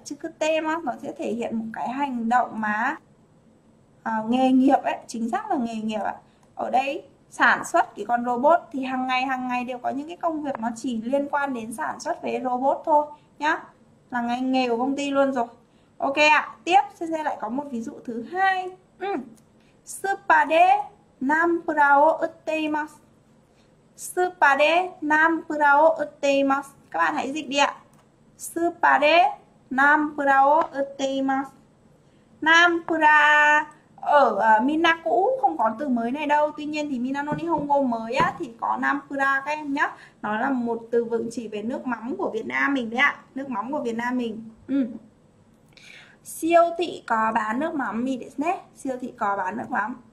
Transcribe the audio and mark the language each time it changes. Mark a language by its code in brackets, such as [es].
[vi] Tsukutemasu nó sẽ thể hiện một cái hành động mà nghề nghiệp ấy, chính xác là nghề nghiệp ạ. Ở đây sản xuất cái con robot thì hàng ngày đều có những cái công việc nó chỉ liên quan đến sản xuất về robot thôi nhá. Là ngành nghề của công ty luôn rồi. Ok ạ, tiếp xin xem lại có một ví dụ thứ hai. [ja] Spa de Nampura wo uttemasu. スーパーでナンプラを売っています。 [vi] các bạn hãy dịch đi ạ. [ja] スーパーでナンプラを売っています。 [vi] ナンプラ ở Mina cũ không có từ mới này đâu, tuy nhiên thì Mina no Nihongo mới á thì có nampura các em nhá. Nó là một từ vựng chỉ về nước mắm của Việt Nam mình đấy ạ, nước mắm của Việt Nam mình. Ừ. Siêu thị có bán nước mắm mì đấy nhé, siêu thị có bán nước mắm.